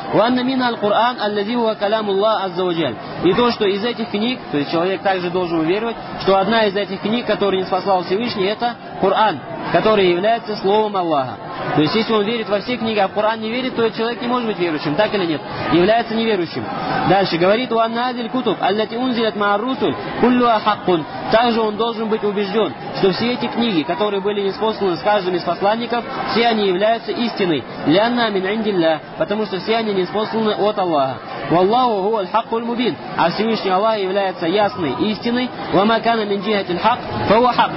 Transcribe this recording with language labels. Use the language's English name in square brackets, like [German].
[Arabic] وَأَنَّ مِنَ الْقُرْآنِ الَّذِي هُوَ كَلَامُ اللَّهِ عَزَّ وَجَلَّ. [Russian] И то, что из этих книг, то есть человек также должен уверовать, что одна из этих книг, которую ниспослал Всевышний, это Коран, который является словом Аллаха. То есть, если он верит во все книги, а в Коран не верит, то этот человек не может быть верующим, так или нет? Является неверующим. Дальше говорит, [Arabic] وَأَنَّ هَذِهِ الْكُتُبُ الَّتِي أُنْزِلَتْ مَعَ الرُّسُلِ كُلُّهَا حَقٌّ. [Russian] Также он должен быть убежден, что все эти книги, которые были ниспосланы с каждым из посланников, все они являются истиной. [Arabic] لِأَنَّ مِنْ عِنْدِ اللَّهِ. [Russian] Потому что все они ниспосланы от Аллаха. [Arabic] وَاللَّهُ هُوَ الْحَقُّ الْمُبِينُ. [Russian] А Всевышний Аллах является ясной истиной. [Arabic] وَمَا كَانَ مِنْ جِهَةِ الْحَقِّ فَهُوَ حَقٌّ.